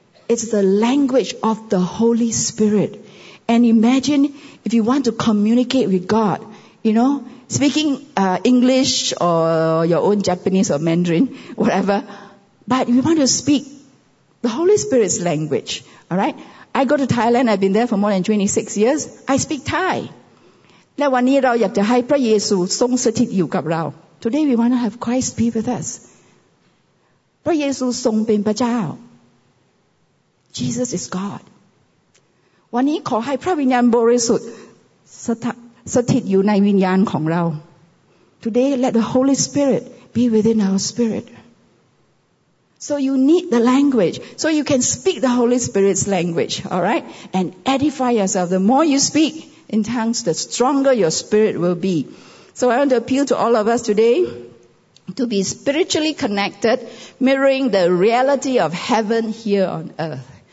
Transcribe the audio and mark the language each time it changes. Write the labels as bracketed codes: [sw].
[en] It's the language of the Holy Spirit. And imagine if you want to communicate with God, you know, speaking English or your own Japanese or Mandarin, whatever, but you want to speak the Holy Spirit's language, all right? I go to Thailand, I've been there for more than 26 years, I speak Thai. Now, [th] วันนี้เราอยากจะให้พระเยซูทรงสถิตอยู่กับเรา [en] Today we want to have Christ be with us. [th] พระเยซูทรงเป็นพระเจ้า [en] Jesus is God. [th] วันนี้ขอให้พระวิญญาณบริสุทธิ์สถิตอยู่ในวิญญาณของเรา [en] Today let the Holy Spirit be within our spirit. So you need the language so you can speak the Holy Spirit's language, all right? And edify yourself. The more you speak,In tongues, the stronger your spirit will be. So I want to appeal to all of us today to be spiritually connected, mirroring the reality of heaven here on earth.